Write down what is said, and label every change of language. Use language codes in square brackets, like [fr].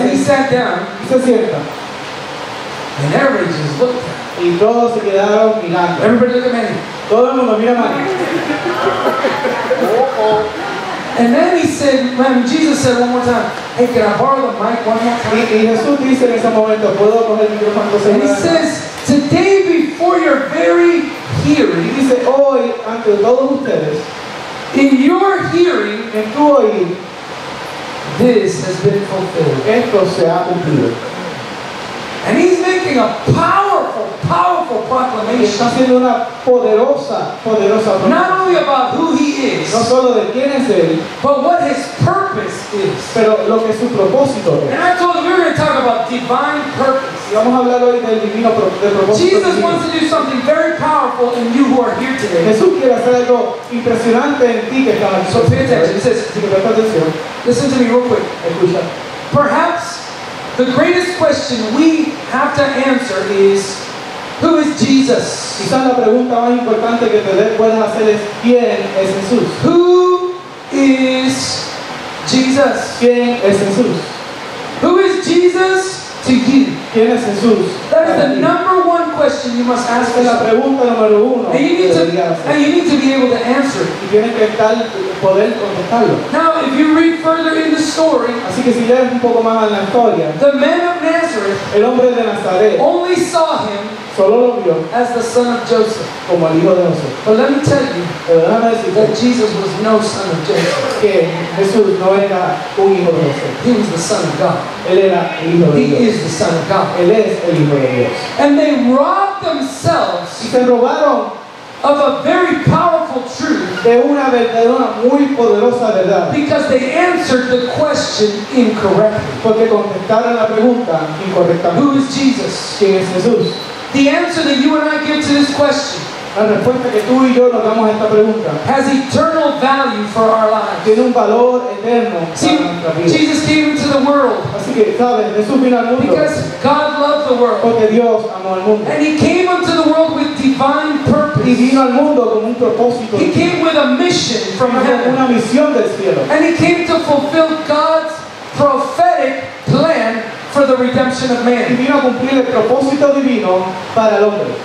[en] And he sat down. [es] Y se sienta. [en] And everybody just looked at him. [es] Y todos se quedaron mirando. [en] Everybody look at me. [es] Todo el mundo mira a Mike. [en] And then he said, when Jesus said one more time, hey, can I borrow the mic one more time? [es] Y Jesús dice en ese momento, ¿puedo coger el micrófono? [en] And he says, today before your very hearing, [es] y dice, hoy, ante todos ustedes, [en] in your hearing, [es] en tu oír, [en] this has been fulfilled. [es] Esto se ha cumplido. [en] And he's making a powerful, powerful proclamation. [es] Está haciendo una poderosa, poderosa proclamación. [en] Not only about who he is, [es] no solo de quién es él, [en] but what his purpose is. [es] Pero lo que su propósito es. [en] And I told him we were going to talk about divine purpose. [es] Y vamos a hablar hoy del divino propósito. [en] Jesus wants to do something very powerful in you who are here today. [es] Jesús quiere hacer algo impresionante en ti que estás. [en] So pay attention. He says, [es] presta atención. [en] Listen to me real quick. [es] Escucha. [en] Perhaps the greatest question we have to answer is, who is Jesus? [es] Quizás la pregunta más importante que te puedes hacer es, ¿quién es Jesús? [en] Who is Jesus? [es] ¿Quién es Jesús? [en] Who is Jesus to you? [es] ¿Quién es Jesús? [en] That is the number one question you must ask yourself. [es] La pregunta número uno. [en] And you need to be able to answer it. [es] Y tienes que estar, poder contestarlo. [en] Now, if you read further in the story, [es] así que si lees un poco más en la historia, [en] the man of Nazareth, [es] el hombre de Nazaret, [en] only saw him, [es] solo lo vio, [en] as the son of Joseph, [es] como el hijo de José. [en] But let me tell you, [es] pero déjame decirte, [en] that Jesus was no son of Joseph. [es] Que Jesús no era un hijo de José. [en] He was the son of God. [es] Él era el hijo de Dios. [en] He is the son of God. [es] Él es el hijo de Dios. [en] And they robbed themselves. [es] Y se robaron [en] of a very powerful truth, [es] de una verdad, una muy poderosa verdad, [en] because they answered the question incorrectly, [es] porque contestaron la pregunta incorrectamente. [en] Who is Jesus? [es] ¿Quién es Jesús? [en] The answer that you and I give to this question, [es] la respuesta que tú y yo nos damos a esta pregunta, [en] has eternal value for our lives. [es] Tiene un valor eterno. [en] See, Jesus came into the world, [es] así que sabes, Jesús vino al mundo, [en] because God loved the world, [es] porque Dios amó al mundo, [en] and he came into the world with divine purpose. [es] Y vino al mundo con un propósito. [en] He came with a mission from heaven, [es] una misión del cielo, [en] and he came to fulfill God's prophetic plan for the redemption of man. [es] Y vino a cumplir el propósito divino para el hombre.